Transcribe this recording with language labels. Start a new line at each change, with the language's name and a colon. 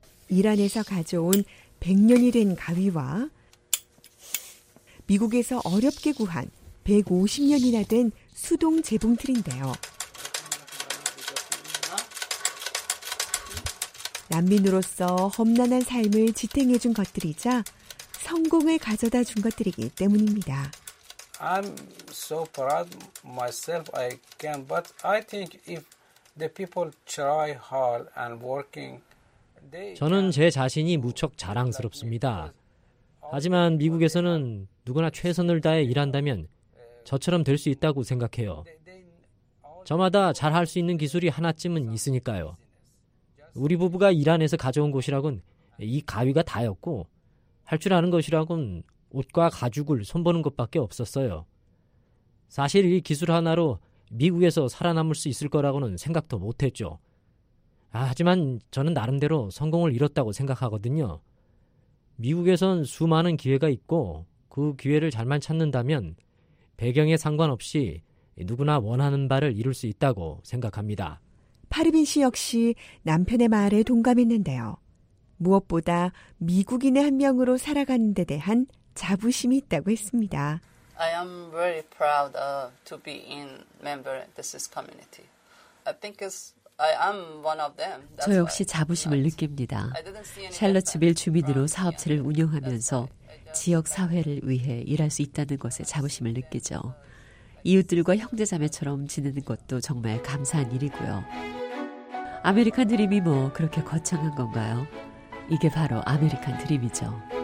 Korean: 이란에서 가져온 100년이 된 가위와 미국에서 어렵게 구한 150년이나 된 수동 재봉틀인데요. 난민으로서 험난한 삶을 지탱해준 것들이자 성공을 가져다 준 것들이기 때문입니다.
English: I'm so proud myself I can, but I think if the people try hard and working, they.
Korean: 저는 제 자신이 무척 자랑스럽습니다. 하지만 미국에서는 누구나 최선을 다해 일한다면 저처럼 될 수 있다고 생각해요. 저마다 잘 할 수 있는 기술이 하나쯤은 있으니까요. 우리 부부가 이란에서 가져온 곳이라곤 이 가위가 다였고 할 줄 아는 것이라곤 옷과 가죽을 손보는 것밖에 없었어요. 사실 이 기술 하나로 미국에서 살아남을 수 있을 거라고는 생각도 못했죠. 하지만 저는 나름대로 성공을 이뤘다고 생각하거든요. 미국에선 수많은 기회가 있고 그 기회를 잘만 찾는다면 배경에 상관없이 누구나 원하는 바를 이룰 수 있다고 생각합니다. 파르빈 씨 역시 남편의 말에 동감했는데요. 무엇보다 미국인의 한 명으로 살아가는 데 대한 자부심이 있다고 했습니다.
English: I am very proud to be in member this community. I think it's I am one of them.
Korean: 저 역시 자부심을 느낍니다. 샬럿빌 주민으로 사업체를 운영하면서 지역 사회를 위해 일할 수 있다는 것에 자부심을 느끼죠. 이웃들과 형제자매처럼 지내는 것도 정말 감사한 일이고요. 아메리칸 드림이 뭐 그렇게 거창한 건가요? 이게 바로 아메리칸 드림이죠.